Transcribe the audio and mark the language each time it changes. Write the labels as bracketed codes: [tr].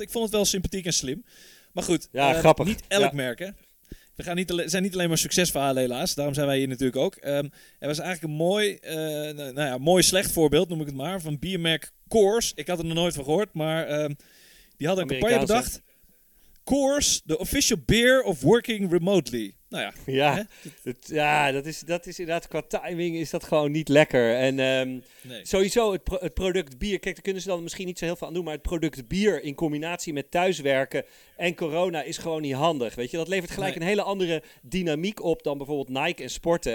[nl] Ik vond het wel sympathiek en slim. Maar goed, grappig. Niet elk merk, hè. We gaan zijn niet alleen maar succesverhalen helaas, daarom zijn wij hier natuurlijk ook. Er was eigenlijk een mooi slecht voorbeeld, noem ik het maar, van biermerk Coors. Ik had er nog nooit van gehoord, maar die hadden een campagne bedacht. [en] Coors, the official beer of working remotely. [nl] Nou ja. Ja, dat is inderdaad, qua timing is dat gewoon niet lekker. En sowieso het product bier, kijk, daar kunnen ze dan misschien niet zo heel veel aan doen, maar het product bier in combinatie met thuiswerken en corona is gewoon niet handig. Weet je, dat levert gelijk een hele andere dynamiek op dan bijvoorbeeld Nike en sporten.